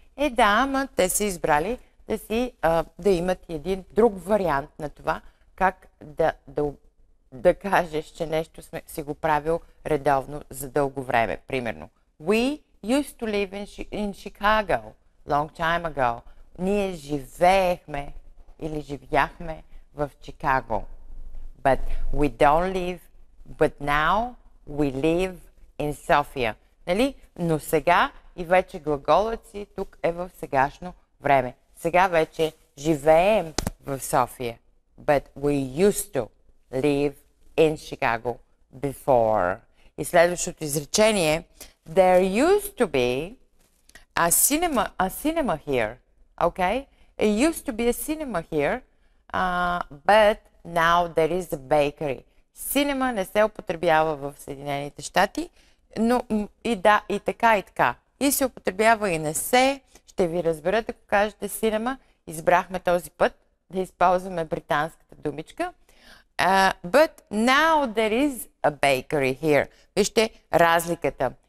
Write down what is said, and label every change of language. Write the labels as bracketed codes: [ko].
[bg] Е да, ама те са избрали да си да имат един друг вариант на това, как да кажеш, че нещо си го правил редовно за дълго време. Примерно, [en] we used to live in Chicago long time ago. [bg] Ние живеехме или живяхме в Чикаго. [en] But we don't live, but now we live in Sofia. [bg] Нали? Но сега и вече глаголът си тук е в сегашно време. Сега вече живеем в София. [en] But we used to live in Chicago before. [bg] И следващото изречение. [en] There used to be a cinema here. Okay? It used to be a cinema here, but now there is a bakery. [bg] Cinema не се употребява в Съединените щати, но и да, и така, и така. И се употребява и не се. Ще ви разберат, ако кажете cinema. Избрахме този път да използваме британската думичка. [en] But now there is a bakery here. [bg] Вижте разликата.